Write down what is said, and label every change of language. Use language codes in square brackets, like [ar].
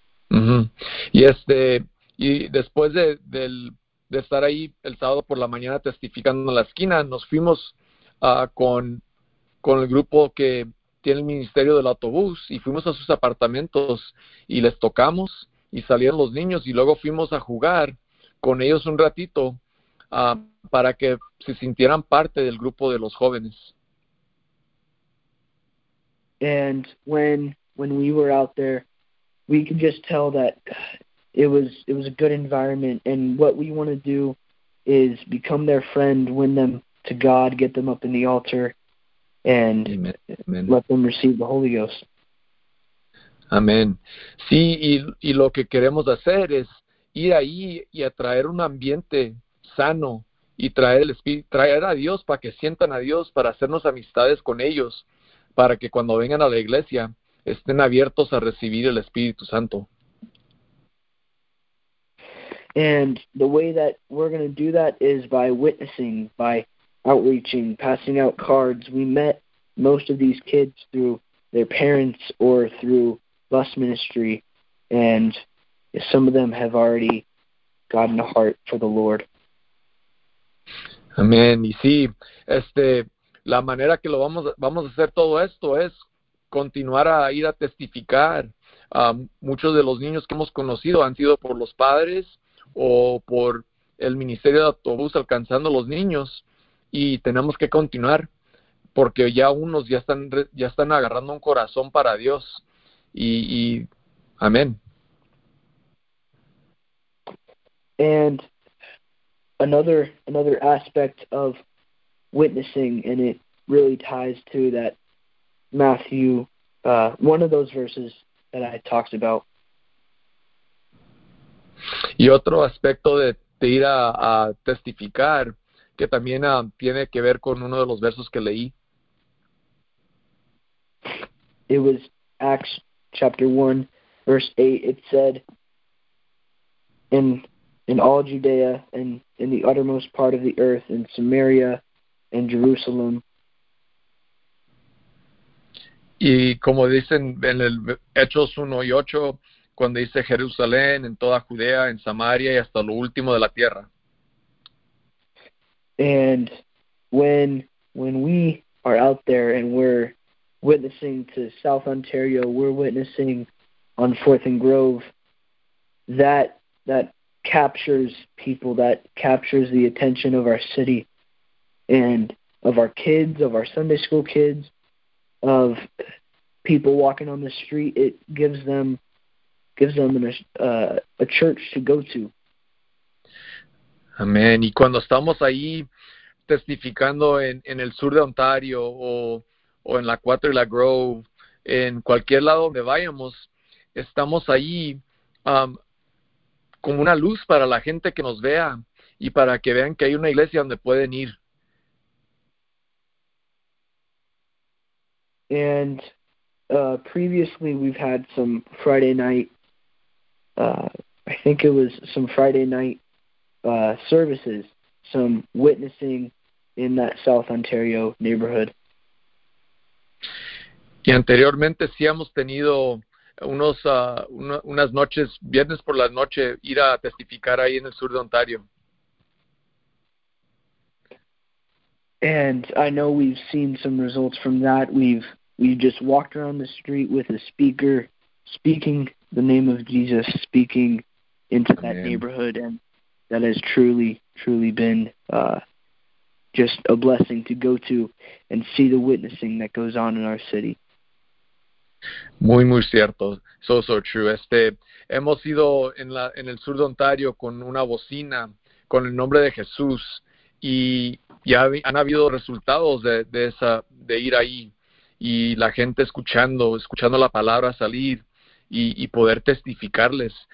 [es] Mm-hmm. Y y después de estar ahí el sábado por la mañana testificando en la esquina, nos fuimos con el grupo que tiene el ministerio del autobús y fuimos a sus apartamentos y les tocamos y salieron los niños y luego fuimos a jugar con ellos un ratito para que se sintieran parte del grupo de los jóvenes. [en] And when we were out there, we could just tell that it was a good environment. And what we want to do is become their friend, win them to God, get them up in the altar, and Amen. Let them receive the Holy Ghost. [es] Amén. Sí, y lo que queremos hacer es ir ahí y atraer un ambiente sano y traer el Espíritu, traer a Dios para que sientan a Dios, para hacernos amistades con ellos, para que cuando vengan a la iglesia estén abiertos a recibir el Espíritu Santo. [en] And the way that we're going to do that is by witnessing, by outreaching, passing out cards. We met most of these kids through their parents or through bus ministry, and some of them have already gotten a heart for the Lord. [es] Amén. Y sí, la manera que lo vamos a hacer todo esto es continuar a ir a testificar. Muchos de los niños que hemos conocido han sido por los padres o por el ministerio de autobús alcanzando a los niños, y tenemos que continuar porque ya unos ya están agarrando un corazón para Dios. Y amén. [en] And another aspect of witnessing, and it really ties to that Matthew, one of those verses that I talked about. [es] Y otro aspecto de ir a testificar, que también tiene que ver con uno de los versos que leí. [en] It was Acts chapter 1, verse 8. It said, In all Judea and in the uttermost part of the earth, in Samaria and Jerusalem. [es] Y como dicen en el Hechos 1 y 8, cuando dice Jerusalén, en toda Judea, en Samaria y hasta lo último de la tierra. [en] And when we are out there and we're witnessing to South Ontario, we're witnessing on 4th and Grove, that captures people, that captures the attention of our city and of our kids, of our Sunday school kids, of people walking on the street. It gives them a church to go to. [es] Amén. Y cuando estamos ahí testificando en el sur de Ontario o en la 4 y la Grove, en cualquier lado donde vayamos, estamos ahí como una luz para la gente que nos vea y para que vean que hay una iglesia donde pueden ir. [en] And previously we've had some Friday night, I think it was some Friday night services, some witnessing in that South Ontario neighborhood. [es] Y anteriormente sí hemos tenido unas noches, viernes por la noche, ir a testificar ahí en el sur de Ontario. [en] And I know we've seen some results from that. We've just walked around the street with a speaker, speaking the name of Jesus, speaking into that neighborhood, and that has truly, truly been just a blessing to go to and see the witnessing that goes on in our city. [es] Muy, muy cierto. [en] So, so true. [es] Hemos ido en el sur de Ontario con una bocina, con el nombre de Jesús, y ya han habido resultados de ir ahí, y la gente escuchando la palabra salir, y poder testificarles.